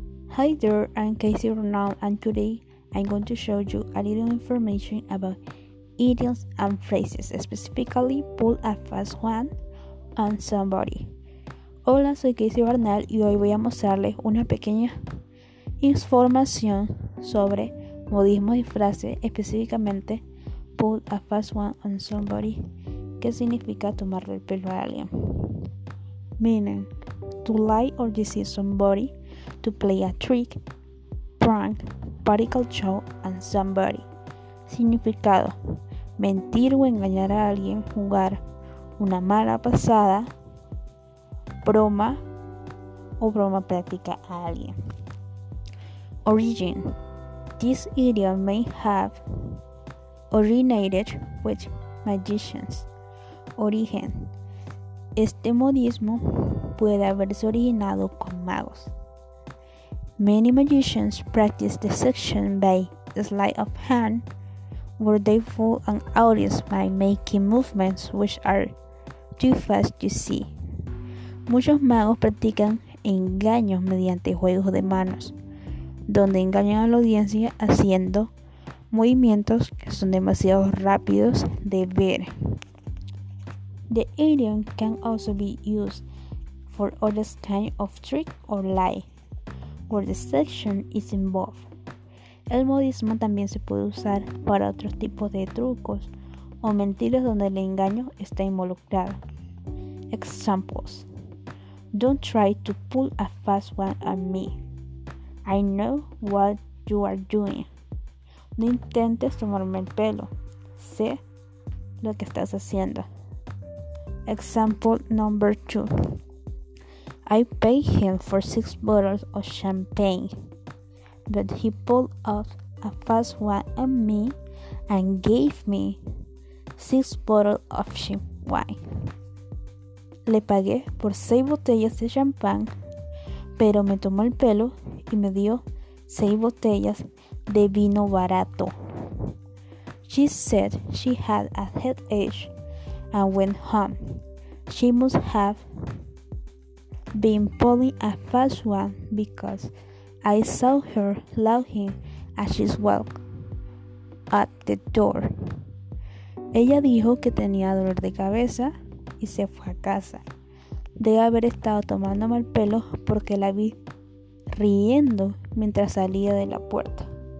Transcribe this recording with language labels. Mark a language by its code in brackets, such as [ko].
[en] Hi there, I'm Casey Ronald, and today I'm going to show you a little information about idioms and phrases, specifically pull a fast one on somebody. [es] Hola, soy Casey Ronald y hoy voy a mostrarles una pequeña información sobre modismos y frases, específicamente [en] pull a fast one on somebody, [es] que significa tomarle el pelo a alguien. [en] Meaning, to lie or deceive somebody, to play a trick, prank, particle show, and somebody. [es] Significado: mentir o engañar a alguien, jugar una mala pasada, broma o broma práctica a alguien. [en] Origin: this idiom may have originated with magicians. [es] Origen: este modismo puede haberse originado con magos. [en] Many magicians practice deception by sleight of hand, where they fool an audience by making movements which are too fast to see. [es] Muchos magos practican engaños mediante juegos de manos, donde engañan a la audiencia haciendo movimientos que son demasiado rápidos de ver. [en] The idiom can also be used for other kinds of trick or lie, where deception is involved. [es] El modismo también se puede usar para otros tipos de trucos o mentiras donde el engaño está involucrado. [en] Examples: don't try to pull a fast one on me. I know what you are doing. [es] No intentes tomarme el pelo. Sé lo que estás haciendo. [en] Example number 2: I paid him for 6 bottles of champagne, but he pulled off a fast one on me and gave me 6 bottles of wine. [es] Le pagué por 6 botellas de champán, pero me tomó el pelo y me dio 6 botellas de vino barato. [en] She said she had a headache and went home. She must have been pulling a fast one because I saw her laughing as she walked at the door. [es] Ella dijo que tenía dolor de cabeza y se fue a casa. Debe haber estado tomándome el pelo porque la vi riendo mientras salía de la puerta.